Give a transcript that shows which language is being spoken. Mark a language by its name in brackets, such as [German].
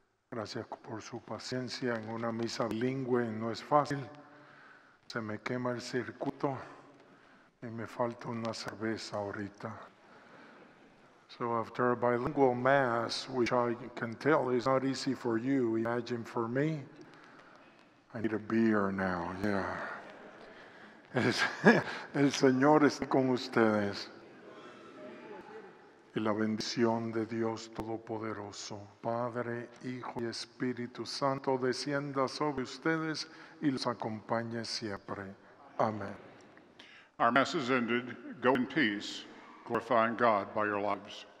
[Spanish] Gracias por su paciencia en una misa bilingüe, no es fácil. Se me quema el circuito y me falta una cerveza ahorita. [English] So after a bilingual mass, which I can tell is not easy for you, imagine for me, I need a beer now, yeah. [Spanish] El Señor está con ustedes. Y la bendición de Dios Todopoderoso, Padre, Hijo y Espíritu Santo, descienda sobre ustedes y los acompañe siempre. Amén. [English] Our mass is ended. Go in peace, glorifying God by your lives.